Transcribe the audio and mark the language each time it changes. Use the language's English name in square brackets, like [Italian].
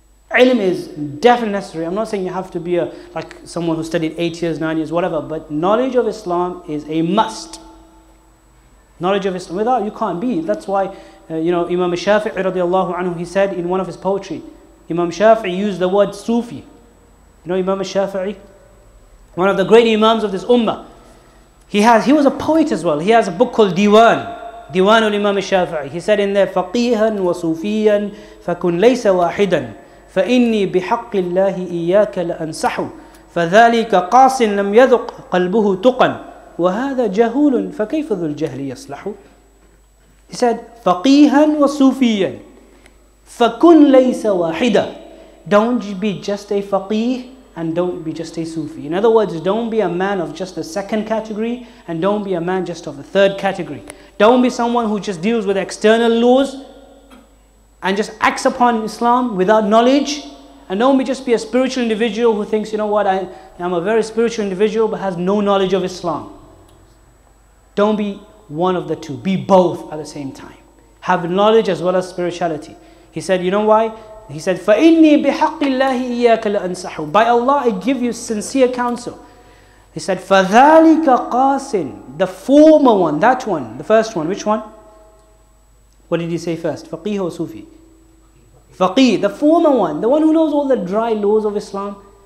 [English] Ilm is definitely necessary. I'm not saying you have to be like someone who studied 8 years, 9 years, whatever, but knowledge of Islam is a must. Knowledge of Islam. Without, you can't be. That's why, Imam Shafi'i radiallahu anhu, he said in one of his poetry, Imam Shafi'i used the word Sufi. Imam Shafi'i? One of the great Imams of this Ummah. He was a poet as well. He has a book called Diwan. Diwan al-Imam Shafi'i. [Arabic] He said in there, فَقِيهًا وَصُوفِيًا فَكُنْ لَيْسَ وَاحِدًا فَإِنِّي بِحَقِّ اللَّهِ إِيَّاكَ لَأَنْسَحُ فَذَلِكَ قَاسٍ لَمْ يَذُقْ قَلْبُهُ تُقًا وَهَذَا جَهُولٌ فَكَيْفَ ذُو الْجَهْلِ يَصْلَحُ. [English] He said, [Arabic] فَقِيهًا وَصُوفِيًا فَكُنْ لَيْسَ وَاحِدًا. [English] Don't be just a faqih and don't be just a Sufi. In other words, don't be a man of just the second category and don't be a man just of the third category. Don't be someone who just deals with external laws and just acts upon Islam without knowledge. And don't be just be a spiritual individual who thinks, I'm a very spiritual individual but has no knowledge of Islam. Don't be one of the two. Be both at the same time. Have knowledge as well as spirituality. He said, you know why? He said, [Arabic] فَإِنِّي بِحَقِّ اللَّهِ إِيَّاكَ لَأَنْسَحُ. [English] By Allah, I give you sincere counsel. He said, [Arabic] فَذَلِكَ قَاسٍ. [English] The former one, that one, the first one, which one? What did he say first? فَقِيه or Sufi? فَقِيه, the former one, the one who knows all the dry laws of Islam.